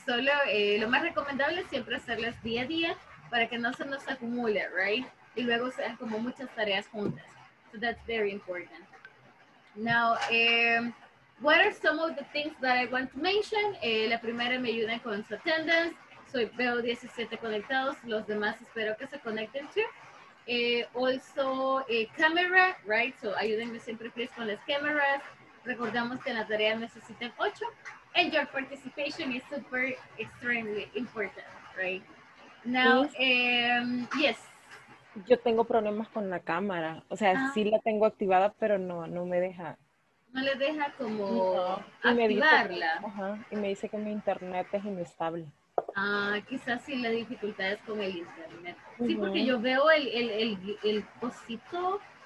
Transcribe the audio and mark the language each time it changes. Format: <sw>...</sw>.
<es>Solo lo más recomendable es siempre hacerlas día a día para que no se nos acumule,</es> <en>right?</en> <es>Y luego sean como muchas tareas juntas.</es> <en>So, that's very important. Now, what are some of the things that I want to mention?</en> <es>La primera, me ayuden con su attendance. Soy veo 17 conectados. Los demás espero que se conecten</es> <en>too. Also, camera, right? So,</en> <es>ayúdenme siempre,</es> <en>please,</en> <es>con las cameras. Recordamos que en la tarea necesitan 8.</es> <en>And your participation is super, extremely important, right? Now, yes.</en> <es>Yo tengo problemas con la cámara. O sea, sí la tengo activada, pero no me deja. No le deja como activarla. Y me dice que mi internet es inestable. Ah, quizás sí la dificultad es con el internet. Sí, porque yo veo el cosito.</es>